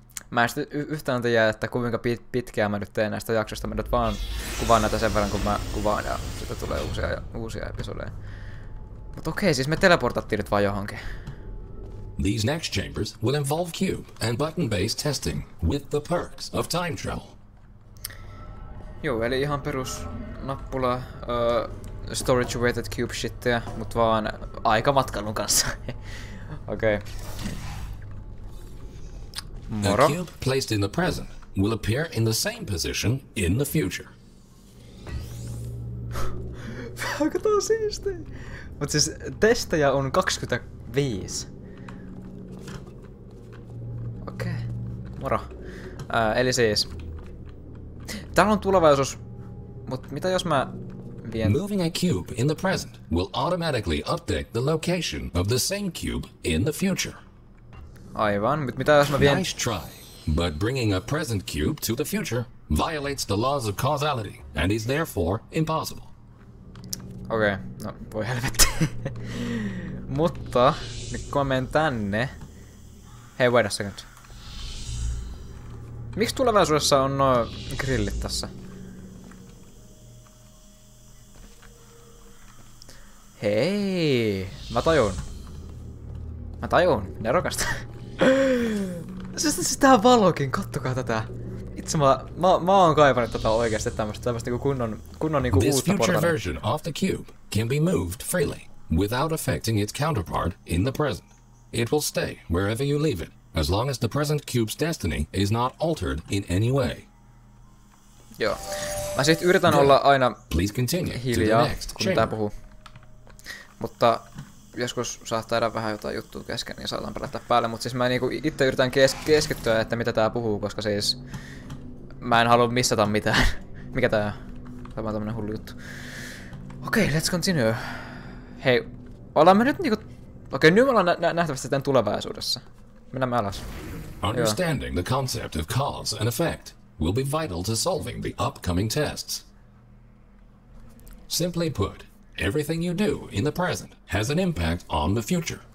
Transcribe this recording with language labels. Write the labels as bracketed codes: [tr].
[fi] Mä en sit yhtään tiedä, että kuinka pitkään mä nyt teen näistä jaksoista. Mä nyt vaan kuvaan näitä sen verran, kun mä kuvaan ja siitä tulee uusia episodeja. Mut okei, siis me teleportattiin nyt vaan johonkin. [en] These next chambers will involve cube and button-based testing with the perks of time travel. [fi] Joo, eli ihan perus nappula. Storage-weighted cube shittiä, mut vaan aikamatkailun kanssa. Okei. [en] Okay. Moro. A cube placed in the present will appear in the same position in the future. [fi] Aika tää on siistii. Mut siis testejä on 25. Okei. Okay. Moro. Eli siis... Täällä on tulevaisuus, mut mitä jos mä... [en] Moving a cube in the present will automatically update the location of the same cube in the future. [fi] Aivan, mutta mitä jos mä vien... [en] Nice try, but bringing a present cube to the future violates the laws of causality and is therefore impossible. [fi] Okei, no voi helvetti. Mutta, nyt kun mä menen tänne... Hei, [en] wait a second. [fi] Miksi tulevaisuudessa on nuo grillit tässä? Hei, mä tajun. Mä tajun, nerokasta. Siis tää valokin, kattokaa tätä. Itse mä oon kaivannut tätä oikeesti tämmöstä niinku kunnon niinku [en] this [fi] uutta portaria. [en] This future version of the cube can be moved freely, without affecting its counterpart in the present. It will stay wherever you leave it, as long as the present cube's destiny is not altered in any way. [fi] Joo. Mä sit yritän olla aina [en] please continue [fi] hiljaa, [en] to the next [fi] kun chamber. Tää puhuu. Mutta joskus saattaa edä vähän jotain juttua kesken, niin saatan palata päälle. Mutta siis mä niinku itse yritän keskittyä, että mitä tää puhuu, koska siis... Mä en halua missata mitään. Mikä tää on? Tämä on tämmönen hullu juttu. Okei, [en] let's continue. [fi] Hei, ollaan me nyt niinku... Okei, nyt me ollaan nähtävästi sitten tulevaisuudessa. Mennään me alas. [en] Understanding the concept of cause and effect will be vital to solving the upcoming tests. Simply put... Everything you do in the present has an impact on the future,